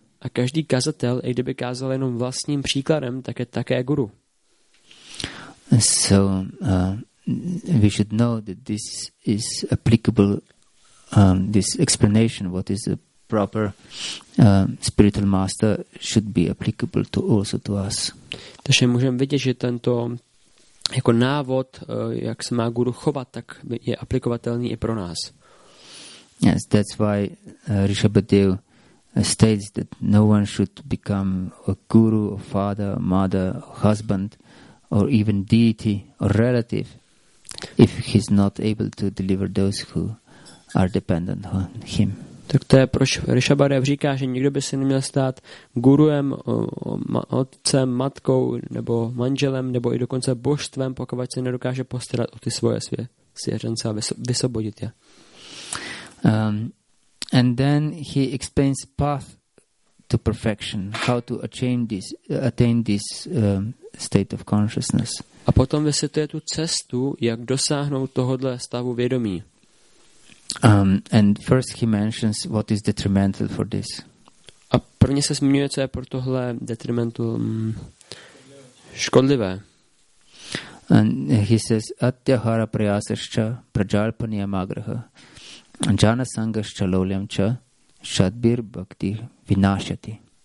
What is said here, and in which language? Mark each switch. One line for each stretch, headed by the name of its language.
Czech: A každý kazatel, i kdyby kázal jenom vlastním příkladem, tak je také guru.
English: So we should know that this is applicable, this explanation, what is a proper spiritual master, should be applicable to also to us.
Czech: Takže můžeme vidět, že tento jako návod, jak se má guru chovat, tak je aplikovatelný i pro nás.
English: Yes, that's why Rishabhadev states that no one should become a guru, a father, a mother, a husband, or even deity, or relative, if he's not able to deliver those who are dependent on him.
Czech: Tak to je, proč Rishabhadev říká, že nikdo by se neměl stát guruem, otcem, matkou, nebo manželem, nebo i dokonce božstvem, pokud se nedokáže postarat o ty svoje svěřence a vysvobodit je.
English: And then he explains path to perfection, how to attain this state of consciousness.
Czech: A potom vysvětluje tu cestu, jak dosáhnout tohodle stavu vědomí.
English: And first he mentions what is detrimental for this.
Czech: A prvně se zmiňuje, co je pro tohle detrimental škodlivé.
Sanskrit: And he says atyahara prayasascha prajalpaniyam agraha jana sangascha lolyam cha shadbir bhakti vinashati.